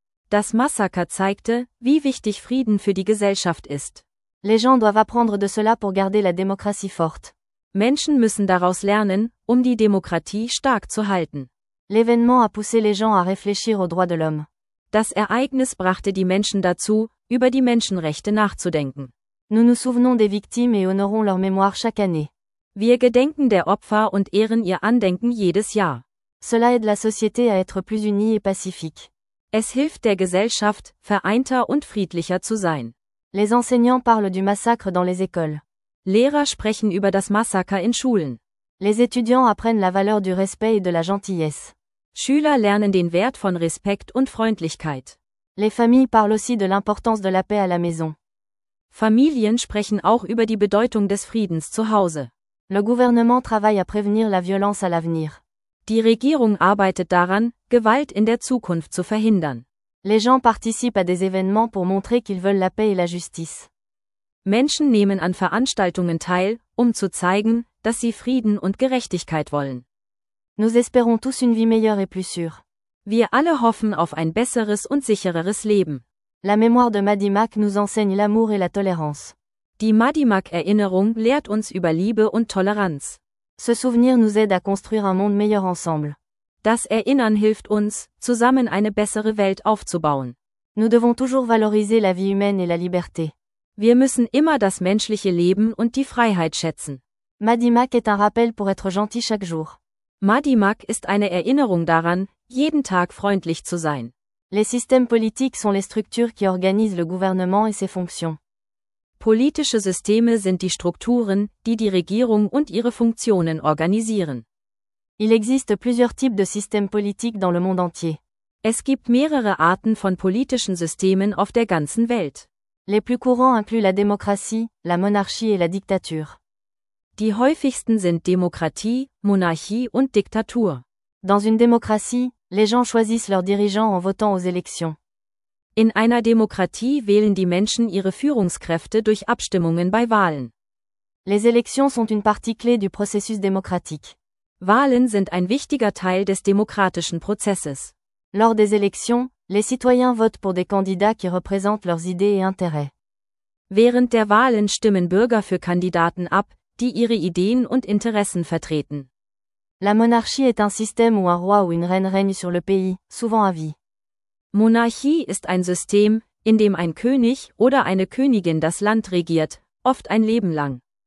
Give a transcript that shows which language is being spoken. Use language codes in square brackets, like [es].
[de] Das Massaker zeigte, wie wichtig Frieden für die Gesellschaft ist. [fr] Les gens doivent apprendre de cela pour garder la démocratie forte. [de] Menschen müssen daraus lernen, um die Demokratie stark zu halten. [fr] L'événement a poussé les gens à réfléchir aux droits de l'homme. [de] Das Ereignis brachte die Menschen dazu, über die Menschenrechte nachzudenken. [fr] Nous nous souvenons des victimes et honorons leur mémoire chaque année. [de] Wir gedenken der Opfer und ehren ihr Andenken jedes Jahr. [fr] Cela aide la société à être plus unie et pacifique. [de] Es hilft der Gesellschaft, vereinter und friedlicher zu sein. [fr] Les enseignants parlent du massacre dans les écoles. [de] Lehrer sprechen über das Massaker in Schulen. [fr] Les étudiants apprennent la valeur du respect et de la gentillesse. [de] Schüler lernen den Wert von Respekt und Freundlichkeit. [fr] Les familles parlent aussi de l'importance de la paix à la maison. [de] Familien sprechen auch über die Bedeutung des Friedens zu Hause. [fr] Le gouvernement travaille à prévenir la violence à l'avenir. [de] Die Regierung arbeitet daran, Gewalt in der Zukunft zu verhindern. [fr] Les gens participent à des événements pour montrer qu'ils veulent la paix et la justice. [de] Menschen nehmen an Veranstaltungen teil, um zu zeigen, dass sie Frieden und Gerechtigkeit wollen. [fr] Nous espérons tous une vie meilleure et plus sûre. [de] Wir alle hoffen auf ein besseres und sichereres Leben. [fr] La mémoire de Madimak nous enseigne l'amour et la tolérance. [de] Die Madimak-Erinnerung lehrt uns über Liebe und Toleranz. [fr] Ce souvenir nous aide à construire un monde meilleur ensemble. [de] Das Erinnern hilft uns, zusammen eine bessere Welt aufzubauen. [fr] Nous devons toujours valoriser la vie humaine et la liberté. [de] Wir müssen immer das menschliche Leben und die Freiheit schätzen. [fr] Madimak est un rappel pour être gentil chaque jour. [de] Madimak ist eine Erinnerung daran, jeden Tag freundlich zu sein. [fr] Les systèmes politiques sont les structures qui organisent le gouvernement et ses fonctions. [de] Politische Systeme sind die Strukturen, die die Regierung und ihre Funktionen organisieren. [fr] Il existe plusieurs types de systèmes politiques dans le monde entier. [de] Es gibt mehrere Arten von politischen Systemen auf der ganzen Welt. [fr] Les plus courants incluent la démocratie, la monarchie et la dictature. [de] Die häufigsten sind Demokratie, Monarchie und Diktatur. [fr] Dans une démocratie, les gens choisissent leurs dirigeants en votant aux élections. [de] In einer Demokratie wählen die Menschen ihre Führungskräfte durch Abstimmungen bei Wahlen. [fr] Les élections sont une partie clé du processus démocratique. [de] Wahlen sind ein wichtiger Teil des demokratischen Prozesses. [fr] Lors des élections, les citoyens votent pour des candidats qui représentent leurs idées et intérêts. [de] Während der Wahlen stimmen Bürger für Kandidaten ab, die ihre Ideen und Interessen vertreten. [fr] La monarchie est un système où un roi ou une reine règne sur le pays, souvent à vie. [de] Monarchie ist ein System, in dem ein König oder eine Königin das Land regiert, oft ein Leben lang.